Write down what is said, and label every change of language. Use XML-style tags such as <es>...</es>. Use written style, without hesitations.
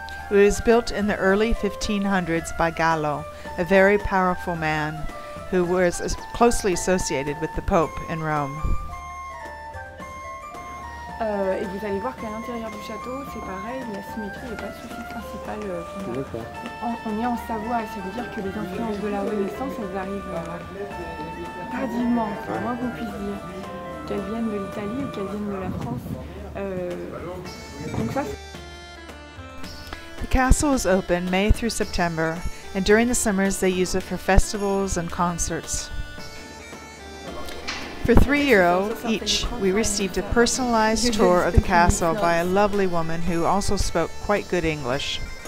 <en>It was built in the early 1500s by Gallo, a very powerful man who was closely associated with the Pope in Rome.</en> <fr>Et vous allez voir qu'à l'intérieur du château, c'est pareil, la symétrie n'est pas le souci principal. On est en Savoie, ça veut dire que les influences de la Renaissance, elles arrivent tardivement, au moins qu'on puisse dire, qu'elles viennent de l'Italie ou qu'elles viennent de la France.</fr> <en>The castle is open May through September, and during the summers they use it for festivals and concerts. For €3 each, we received a personalized tour of the castle by a lovely woman who also spoke quite good English.</en>